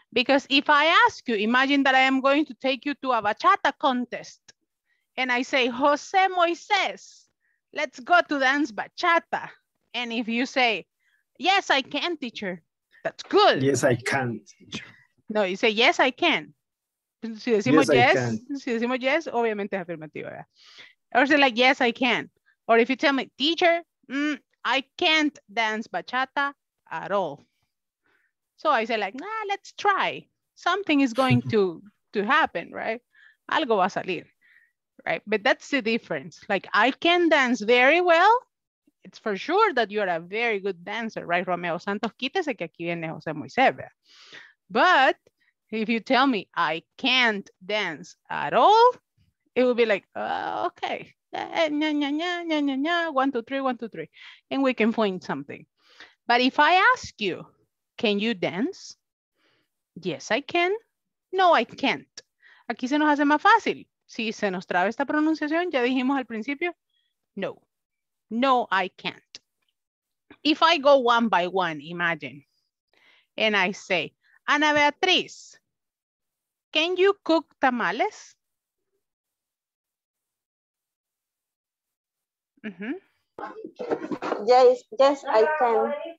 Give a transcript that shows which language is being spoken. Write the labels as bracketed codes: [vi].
[en] Because if I ask you, imagine that I am going to take you to a bachata contest and I say, Jose Moises, let's go to dance bachata. And if you say, yes, I can, teacher, that's good. Yes, I can, teacher. No, you say, yes, I can. [es] Si decimos yes, yes, si decimos yes, obviamente es afirmativo, ¿verdad? [en] Or say like, yes, I can. Or if you tell me, teacher, I can't dance bachata at all. So I say like, nah, let's try. Something is going to happen, right? [es] Algo va a salir, [en] right? But that's the difference. Like, I can dance very well. It's for sure that you're a very good dancer, right, Romeo Santos? [es] Quítese que aquí viene José Moisés, ¿verdad? [en] But if you tell me I can't dance at all, it will be like, oh, okay, nya, nya, nya, nya, nya, nya. 1, 2, 3, 1, 2, 3. And we can find something. But if I ask you, can you dance? Yes, I can. No, I can't. [es] Aquí se nos hace más fácil. Si se nos traba esta pronunciación, ya dijimos al principio, no. [en] No, I can't. If I go one by one, imagine, and I say, Ana Beatriz, can you cook tamales? Mm-hmm. Yes, yes, I can.